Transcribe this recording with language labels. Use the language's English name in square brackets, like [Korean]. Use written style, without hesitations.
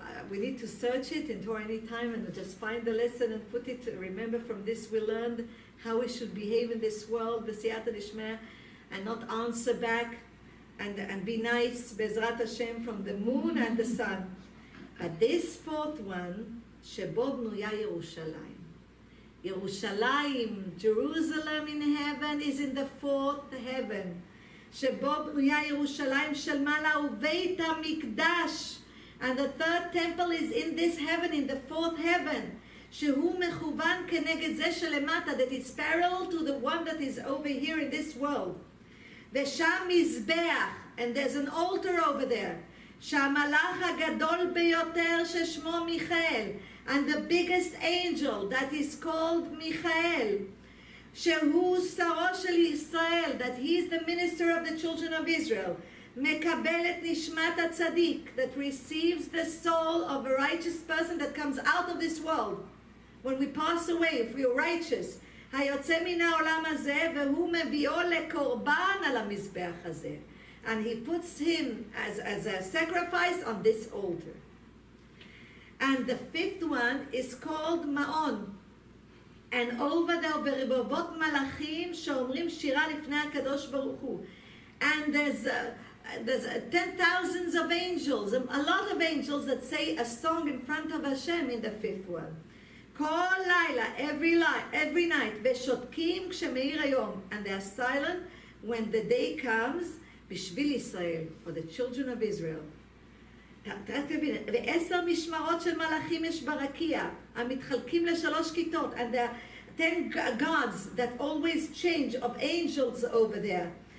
[English] We need to search it in Torah any time and just find the lesson and put it. Remember, from this we learned how we should behave in this world, B'siyata Dishmaya, and not answer back, and be nice, Be'ezrat Hashem, from the moon and the sun. at this fourth one [Hebrew] שבו בנויה ירושלים. [English] ירושלים, Jerusalem in heaven is in the fourth heaven. [Hebrew] שבו בנויה ירושלים של מעלה ובית המקדש. [English] And the third temple is in this heaven, in the fourth heaven. [Hebrew] שהוא מכוון כנגד זה שלמטה, [English] that it's parallel to the one that is over here in this world. [Hebrew] ושם מזבח, [English] and there's an altar over there. [Hebrew] שהמלאך הגדול ביותר ששמו מיכאל, [English] and the biggest angel that is called מיכאל, [Hebrew] שהוא שרו של ישראל, [English] that he is the minister of the children of Israel, [Hebrew] מקבל את נשמת הצדיק, [English] that receives the soul of a righteous person that comes out of this world. When we pass away, if we are righteous, [Hebrew] היוצא מן העולם הזה, והוא מביאו לקורבן על המזבח הזה. [English] And he puts him as a sacrifice on this altar. And the fifth one is called Ma'on. And over there, [Hebrew] ברבבות מלאכים שאומרים שירה לפני הקדוש ברוך הוא. [English] And there's 10,000 of angels, a lot of angels that say a song in front of Hashem in the fifth one. [Hebrew] כל לילה, [English] every night, [Hebrew] ושותקים כשמאיר היום. [English] And they are silent when the day comes [Hebrew] בשביל ישראל, [English] for the children of Israel. [Hebrew] תבין, ועשר משמרות של מלאכים יש ברקיע, המתחלקים לשלוש כיתות, [English] and there are 10 gods that always change of angels over there.